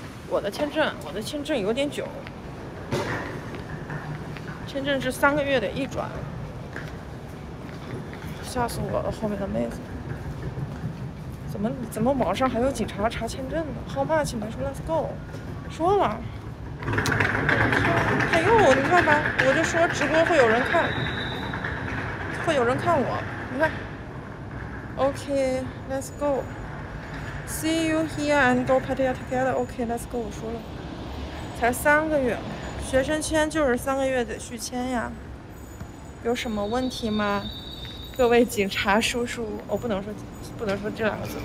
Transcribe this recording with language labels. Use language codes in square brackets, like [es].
[zh] 我的签证有点久，签证是三个月的一转，吓死我了！后面的妹子，怎么网上还有警察查签证呢 ？ [en] How much？ [zh] 没说 [en] Let's go， [zh] 说了，还有你看吧，我就说直播会有人看。会有人看我，你看 ， [en] Okay, let's go. See you here and go party together. Okay, let's go. [zh] 我说了，才三个月，学生签就是三个月得续签呀。有什么问题吗？各位警察叔叔，我不能说这两个字。